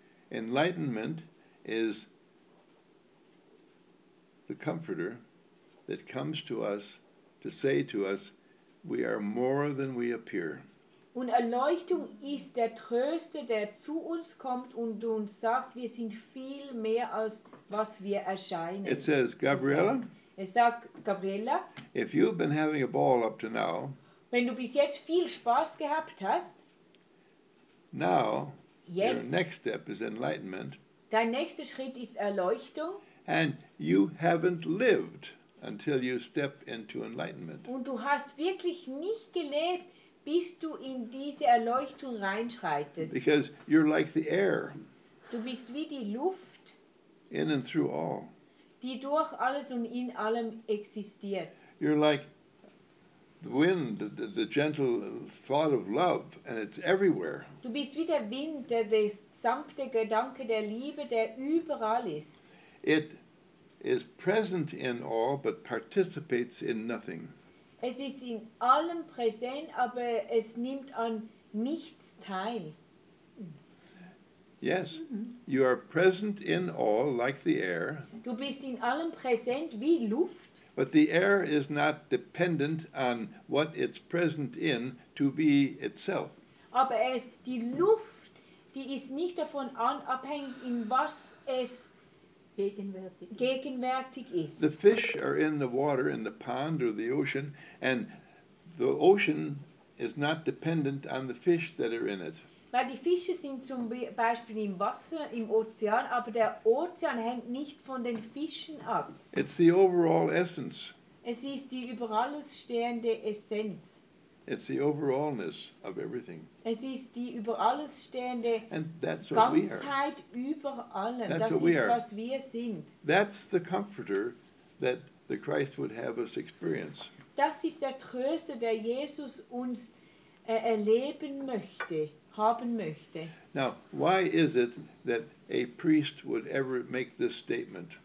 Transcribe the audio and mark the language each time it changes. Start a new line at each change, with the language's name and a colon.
English: Enlightenment is the comforter. That comes to us to say to us, we are more than we appear.
German: Und Erleuchtung ist der Tröster, der zu uns kommt und uns sagt, wir sind viel mehr als was wir erscheinen.
English: It says, Gabriella.
German: Es sagt Gabriella.
English: If you've been having a ball up to now.
German: Wenn du bis jetzt viel Spaß gehabt hast.
English: Now.
German: Jetzt.
English: Your next step is enlightenment.
German: Dein nächster Schritt ist Erleuchtung.
English: And you haven't lived. Until you step into enlightenment.
German: Und du hast wirklich nicht gelebt, bis du in diese Erleuchtung reinschreitest.
English: Because you're like the air.
German: Du bist wie die Luft.
English: In and through all.
German: Die durch alles und in allem existiert.
English: You're like wind, the gentle thought of love, and it's everywhere.
German: Du bist wie der Wind, der sanfte Gedanke der Liebe, der überall ist.
English: It is present in all, but participates in nothing.
German: Es ist in allem präsent, aber es nimmt an nichts teil.
English: Yes, you are present in all, like the air.
German: Du bist in allem präsent wie Luft.
English: But the air is not dependent on what it's present in to be itself.
German: Aber es, die Luft, die ist nicht davon abhängig, in was es gegenwärtig ist.
English: The fish are in the water, in the pond or the ocean, and the ocean is not dependent on the fish that are in it.
German: Weil die Fische sind zum Beispiel im Wasser, im Ozean, aber der Ozean hängt nicht von den Fischen ab.
English: It's the overall essence.
German: Es ist die über alles stehende Essenz.
English: It's the overallness of everything.
German: Es ist die über alles stehende Ganzheit über allem.
English: That's
German: das ist, was wir sind.
English: That's the comforter that the Christ would have us experience.
German: Das ist der Tröster, der Jesus uns erleben möchte. Haben möchte.
English: Now, why is it that a priest would ever make this statement?